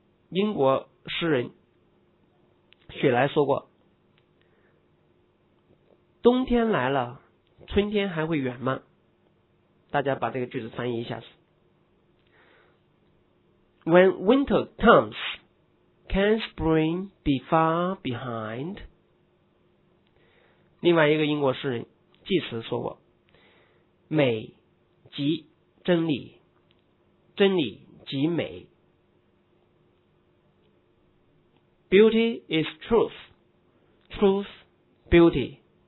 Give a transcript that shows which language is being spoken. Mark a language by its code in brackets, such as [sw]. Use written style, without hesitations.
[zh] 英国诗人雪莱说过，冬天来了，春天还会远吗？大家把这个句子翻译一下子。 [en] When winter comes, can spring be far behind? [zh] 另外一个英国诗人济慈说过，美即真理，真理即美。 [en] Beauty is truth, truth beauty。